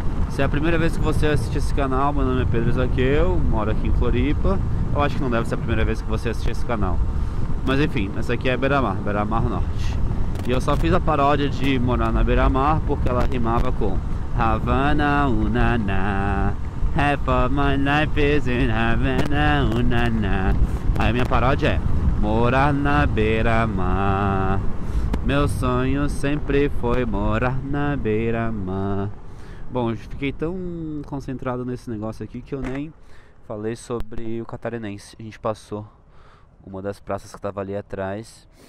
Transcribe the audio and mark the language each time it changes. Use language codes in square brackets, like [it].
[pt] Se é a primeira vez que você assiste esse canal, meu nome é Pedro Zaqueu, moro aqui em Floripa. Eu acho que não deve ser a primeira vez que você assiste esse canal. Mas enfim, essa aqui é Beira-Mar, Beira-Mar Norte. E eu só fiz a paródia de morar na Beira-Mar porque ela rimava com Havana, unana. [en] Half of my life is in Havana, unana. [pt] Aí a minha paródia é morar na Beira-Mar. Meu sonho sempre foi morar na Beira-Mar. Bom, eu fiquei tão concentrado nesse negócio aqui que eu nem falei sobre o Catarinense. A gente passou uma das praças que estava ali atrás.